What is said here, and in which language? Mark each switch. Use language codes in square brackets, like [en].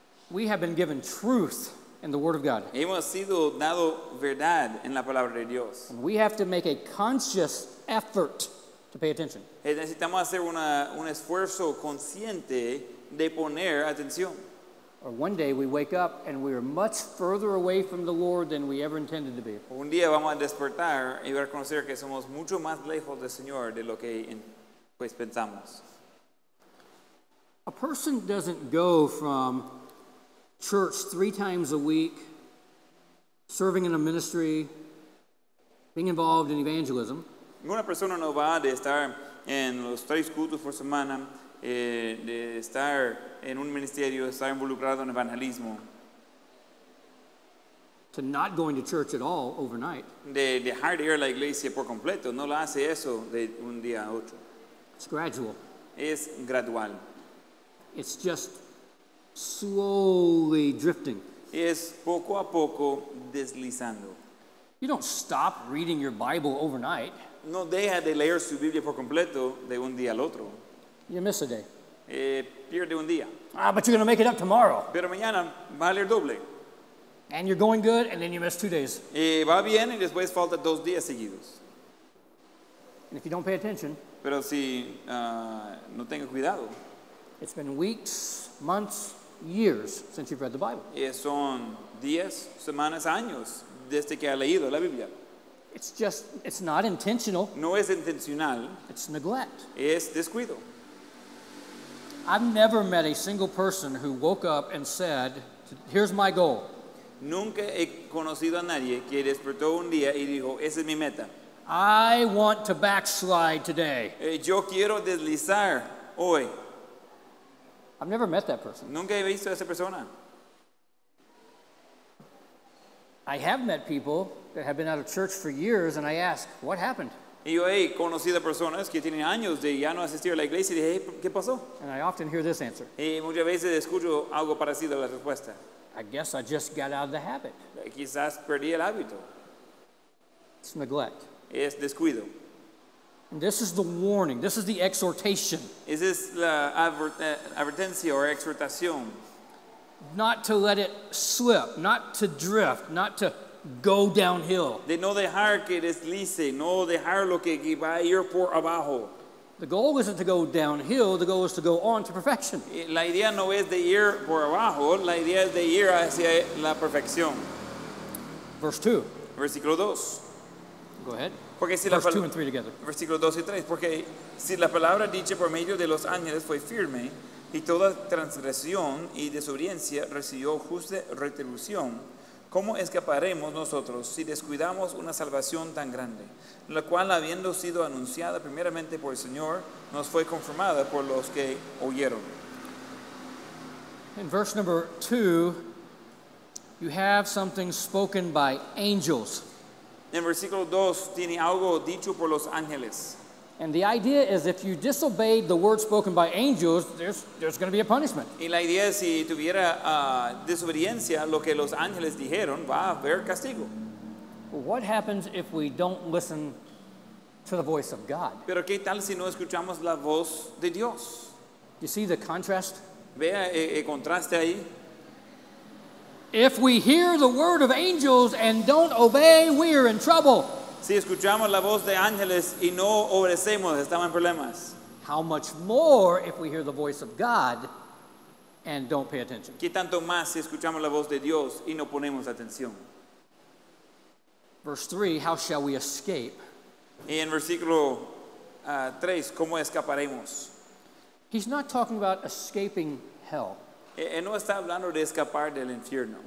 [en] We have been given truth in the Word of God. [es] Hemos sido dado verdad en la palabra de Dios. [en] And we have to make a conscious effort to pay attention. [es] Necesitamos hacer un esfuerzo consciente de poner atención. [en] Or one day we wake up and we are much further away from the Lord than we ever intended to be. [es] Un día vamos a despertar y a reconocer que somos mucho más lejos del Señor de lo que pues pensamos. [en] A person doesn't go from church three times a week, serving in a ministry, being involved in evangelism. [es] Una persona no va de estar en los tres cultos por semana, de estar en un ministerio, de estar involucrado en evangelismo. [en] To not going to church at all overnight. [es] De dejar de ir a la iglesia por completo, no lo hace eso de un día a otro. [en] It's gradual. [es] Es gradual. [en] It's just slowly drifting. [es] Es poco a poco deslizando. [en] You don't stop reading your Bible overnight. [es] No deja de leer su Biblia por completo de un día al otro. [en] You miss a day. [es] Pierde un día. [en] Ah, but you're going to make it up tomorrow. [es] Pero mañana va a leer doble. [en] And you're going good, and then you miss 2 days. [es] Va bien, y después falta 2 días seguidos. [en] And if you don't pay attention, [es] pero si no tenga cuidado, [en] it's been weeks, months, years since you've read the Bible. [es] Son días, semanas, años desde que ha leído la Biblia. [en] It's not intentional. [es] No es intencional. [en] It's neglect. [es] Es descuido. [en] I've never met a single person who woke up and said, "Here's my goal." [es] Nunca he conocido a nadie que despertó un día y dijo, "Esa es mi meta." [en] I want to backslide today. [es] Yo quiero deslizar hoy. [en] I've never met that person. [es] Nunca he visto a esa persona. [en] I have met people that have been out of church for years, and I ask, "What happened?" [es] Y yo he conocido a personas que tienen años de ya no asistir a la iglesia y dije, "¿Qué pasó?" [en] And I often hear this answer. [es] Y muchas veces escucho algo parecido a la respuesta. [en] I guess I just got out of the habit. [es] Quizás perdí el hábito. [en] It's neglect. [es] Es descuido. [en] And this is the warning. This is the exhortation. [es] Es la advertencia o exhortación. [en] Not to let it slip, not to drift, not to go downhill. [es] De no dejar que deslice, no dejar lo que va a ir por abajo. [en] The goal isn't to go downhill, the goal is to go on to perfection. [es] La idea no es de ir por abajo, la idea es de ir hacia la perfección. [en] Verse 2. [es] Versículo 2. [en] Go ahead. [es] Porque si [en] verse [es] la [en] 2 and 3 together. [es] Versículo 2 y 3. Porque si la palabra dicha por medio de los ángeles fue firme, y toda transgresión y desobediencia recibió justa retribución, ¿cómo escaparemos nosotros si descuidamos una salvación tan grande, la cual, habiendo sido anunciada primeramente por el Señor, nos fue confirmada por los que oyeron? [en] In verse number 2, you have something spoken by angels. [es] En versículo 2, tiene algo dicho por los ángeles. [en] And the idea is, if you disobeyed the word spoken by angels, there's going to be a punishment. [es] Y la idea es, si tuviera desobediencia lo que los ángeles dijeron, va a haber castigo. [en] What happens if we don't listen to the voice of God? [es] Pero qué tal si no escuchamos la voz de Dios? [en] You see the contrast? [es] Vea el contraste ahí. [en] If we hear the word of angels and don't obey, we are in trouble. [es] Si escuchamos la voz de ángeles y no obedecemos, estamos en problemas. [en] How much more if we hear the voice of God and don't pay attention? [es] ¿Qué tanto más si escuchamos la voz de Dios y no ponemos atención? [en] Verse 3, how shall we escape? [es] Y en versículo 3, ¿cómo escaparemos? [en] He's not talking about escaping hell. [es] Él no está hablando de escapar del infierno.